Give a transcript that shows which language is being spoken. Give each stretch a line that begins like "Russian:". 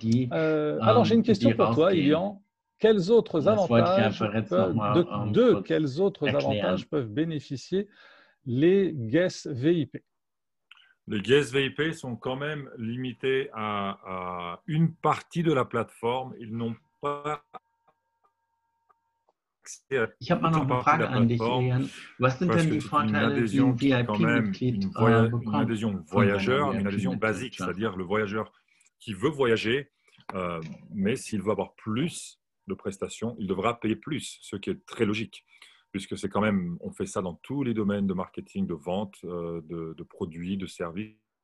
French: Alors, j'ai une question pour toi, Ilian. Quels autres avantages peuvent bénéficier les guests VIP? Les guests VIP sont quand même limités à une partie de la plateforme. Ils n'ont pas...
German: Ich habe mal noch eine Frage an dich, Ilian. Was sind denn die Vorteile, die ein VIP-Mitglied bekommt?
French: Une adhésion voyageur, une adhésion basique, c'est-à-dire le voyageur qui veut voyager, mais s'il veut avoir plus de prestations, il devra payer plus, ce qui est très logique, puisque c'est quand même, on fait ça dans tous les domaines de marketing, de vente, de produits, de services.